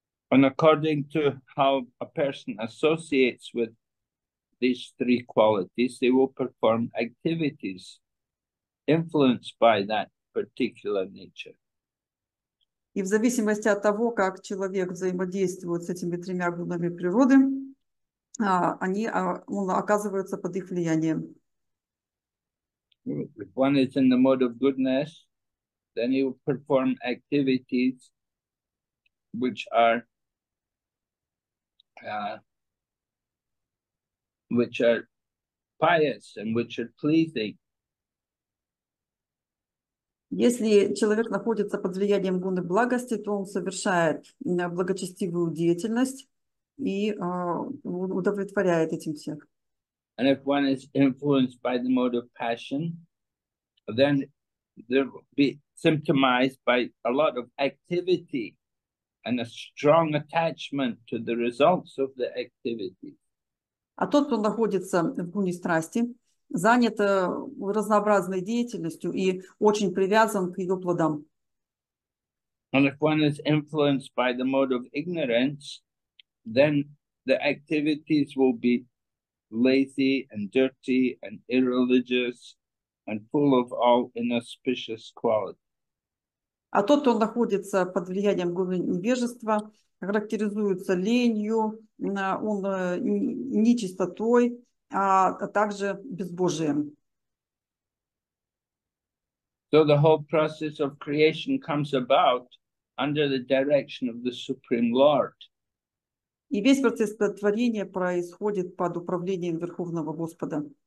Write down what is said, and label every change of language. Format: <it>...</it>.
<en>And according to how a person associates with these three qualities, they will perform activities influenced by that particular nature.</en> <ru>И в зависимости от того, как человек взаимодействует с этими тремя гунами природы, они оказываются под их влиянием.</ru> <en>If one is in the mode of goodness, then he will perform activities which are pious and which are pleasing.</en> <ru>Если человек находится под влиянием гуны благости, то он совершает благочестивую деятельность и удовлетворяет этим всех.</ru> <en>And if one is influenced by the mode of passion, then there will be symptomized by a lot of activity and a strong attachment to the results of the activity.</en> <ru>А тот, кто находится в гуне страсти, занят разнообразной деятельностью и очень привязан к ее плодам.</ru> <en>And if one is influenced by the mode of ignorance, then the activities will be lazy and dirty and irreligious and full of all inauspicious qualities.</en> <ru>А тот, кто находится под влиянием гуны невежества, характеризуется ленью, он нечистотой, а также безбожием.</ru> <en>So the whole process of creation comes about under the direction of the Supreme Lord.</en> <ru>И весь процесс творения происходит под управлением Верховного Господа.</ru>